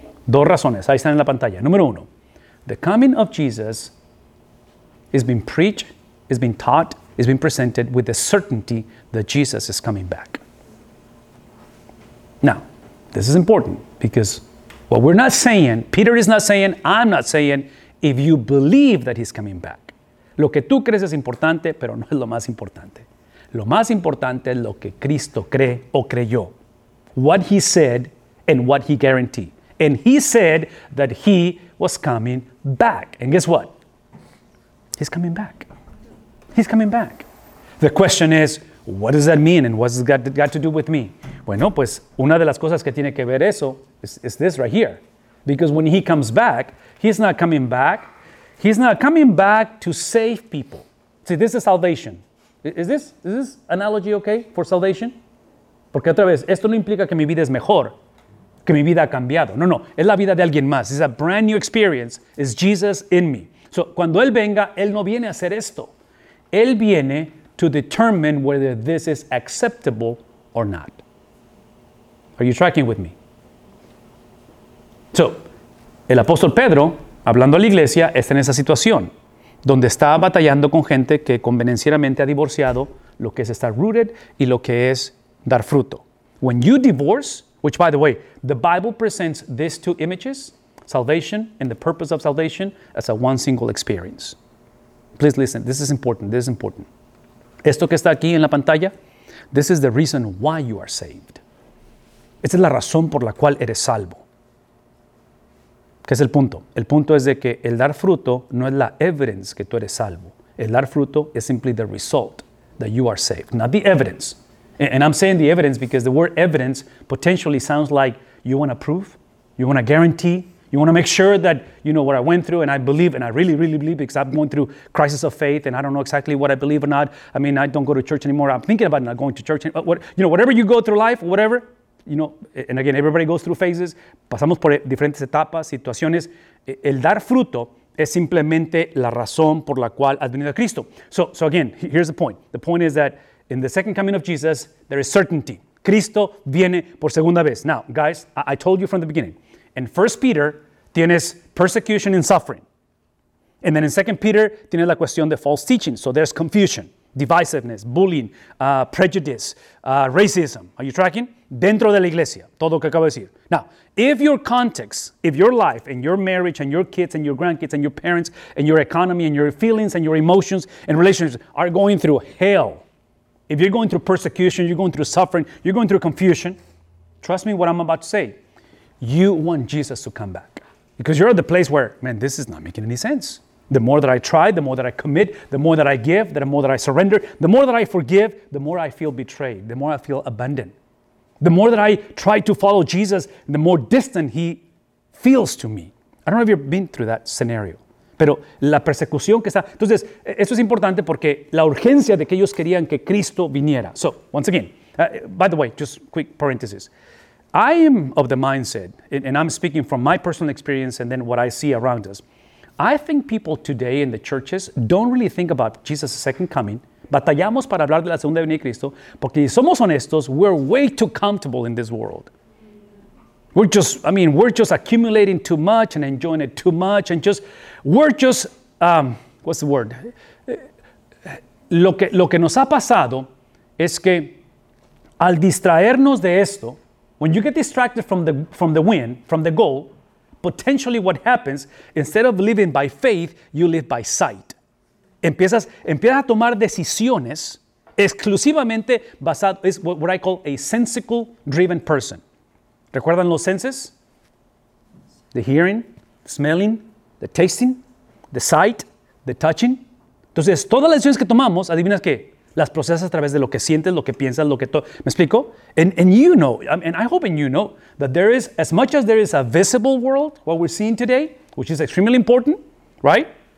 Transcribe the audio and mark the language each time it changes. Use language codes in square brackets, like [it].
[es] Dos razones, ahí están en la pantalla. Número uno, [en] the coming of Jesus is being preached, is being taught, is being presented with the certainty that Jesus is coming back. Now, this is important because what we're not saying, Peter is not saying, I'm not saying, if you believe that he's coming back. [es] Lo que tú crees es importante, pero no es lo más importante. Lo más importante es lo que Cristo cree o creyó. [en] What he said and what he guaranteed. And he said that he was coming back. And guess what? He's coming back. He's coming back. The question is, what does that mean? And what's it got to do with me? [es] Bueno, pues, una de las cosas que tiene que ver eso [en] is this right here. Because when he comes back, he's not coming back. He's not coming back to save people. See, this is salvation. Is this analogy okay for salvation? [es] Porque otra vez, esto no implica que mi vida es mejor. Que mi vida ha cambiado. No, es la vida de alguien más. [en] It's a brand new experience. It's Jesus in me. So, [es] cuando Él venga, Él no viene a hacer esto. Él viene [en] to determine whether this is acceptable or not. Are you tracking with me? [es] So, el apóstol Pedro, hablando a la iglesia, está en esa situación, donde está batallando con gente que convenencieramente ha divorciado lo que es estar rooted y lo que es dar fruto. [en] When you divorce, which by the way, the Bible presents these two images, salvation and the purpose of salvation, as a one single experience. Please listen, this is important, this is important. [es] Esto que está aquí en la pantalla, [en] this is the reason why you are saved. [es] Esta es la razón por la cual eres salvo. ¿Qué es el punto? El punto es de que el dar fruto no es la evidence que tú eres salvo. El dar fruto [en] is simply the result that you are saved, not the evidence. And I'm saying the evidence because the word evidence potentially sounds like you want to prove, you want to guarantee, you want to make sure that, you know, what I went through and I believe, and I really, really believe because I'm going through crisis of faith and I don't know exactly what I believe or not. I mean, I don't go to church anymore. I'm thinking about not going to church. Whatever you go through life, whatever, you know, and again, everybody goes through phases. [es] Pasamos por diferentes etapas, situaciones. El dar fruto es simplemente la razón por la cual has venido a Cristo. [en] So again, here's the point. The point is that in the second coming of Jesus, there is certainty. [es] Cristo viene por segunda vez. [en] Now, guys, I told you from the beginning. In 1 Peter, tienes persecution and suffering. And then in 2 Peter, [es] tienes la cuestión de [en] false teaching. So there's confusion, divisiveness, bullying, prejudice, racism. Are you tracking? [es] Dentro de la iglesia, todo lo que acabo de decir. [en] Now, if your context, if your life and your marriage and your kids and your grandkids and your parents and your economy and your feelings and your emotions and relationships are going through hell, if you're going through persecution, you're going through suffering, you're going through confusion, trust me what I'm about to say. You want Jesus to come back. Because you're at the place where, man, this is not making any sense. The more that I try, the more that I commit, the more that I give, the more that I surrender, the more that I forgive, the more I feel betrayed, the more I feel abandoned. The more that I try to follow Jesus, the more distant he feels to me. I don't know if you've been through that scenario. [es] Pero la persecución que está... Entonces, eso es importante porque la urgencia de que ellos querían que Cristo viniera. [en] So, once again, by the way, just quick parenthesis. I am of the mindset, and I'm speaking from my personal experience and then what I see around us. I think people today in the churches don't really think about Jesus' second coming. [es] Batallamos para hablar de la segunda venida de Cristo porque, si somos honestos, [en] we're way too comfortable in this world. We're just accumulating too much and enjoying it too much. And just, we're just, what's the word? [es] Lo que nos ha pasado es que al distraernos de esto, [en] when you get distracted from the win, from the goal, potentially what happens, instead of living by faith, you live by sight. [es] Empiezas a tomar decisiones exclusivamente basado, es [en] what I call a sensical driven person. [es] ¿Recuerdan los senses? [en] The hearing, smelling, the tasting, the sight, the touching. [es] Entonces, todas las decisiones que tomamos, ¿adivinas qué? Las procesas a través de lo que sientes, lo que piensas, lo que todo. ¿Me explico? [en] And you know, and I hope and you know, that there is, as much as there is a visible world, what we're seeing today, which is extremely important, right?